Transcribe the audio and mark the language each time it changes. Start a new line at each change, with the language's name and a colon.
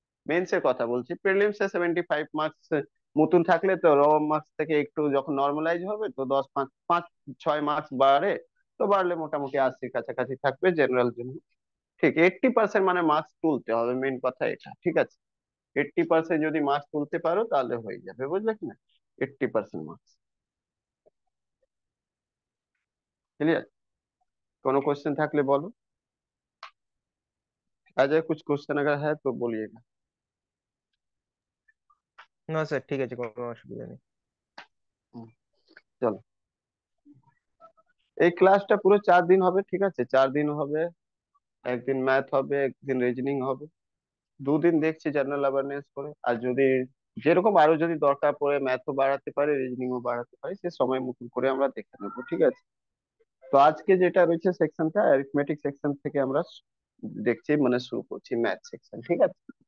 Bangla: মেন্সে কথা বলছি, প্রিলিমসে 75 মার্কস মতন থাকলে তো রো মার্কস থেকে একটু যখন নর্মালাইজ হবে তো 10-5, 5-6 মার্কস বাড়ে, তো বাড়লে মোটামুটি 80-র কাছাকাছি থাকবে জেনারেল জন্য, ঠিক, 80% মানে মার্কস তুলতে হবে, মেন কথা এটা, ঠিক আছে। 80% যদি মার্কস তুলতে পারো তাহলে হয়ে যাবে, বুঝলে কি না, 80% মার্কস, ক্লিয়ার? কোনো কোয়েশ্চেন থাকলে বলো।
Hindi: अजय कुछ क्वेश्चन अगर है तो बोलिएगा। ना सर? ठीक है जी, कोई असुविधा नहीं। चलो एक क्लास टा पूरे 4 दिन हो, ठीक है? 4 दिन हो, एक दिन मैथ हो, एक दिन रीजनिंग हो, 2 दिन देख जनरल अवेयरनेस करे।
Bangla: आर जो যে রকম আরো যদি দরকার পড়ে ম্যাথ ও বাড়াতে পারে, রিজনিং ও বাড়াতে পারে, সে সময় মতন করে আমরা দেখে নেব, ঠিক আছে? তো আজকে যেটা রয়েছে সেকশনটা, অ্যারিথমেটিক সেকশন থেকে আমরা দেখছি, মানে শুরু করছি ম্যাথ সেকশন, ঠিক আছে?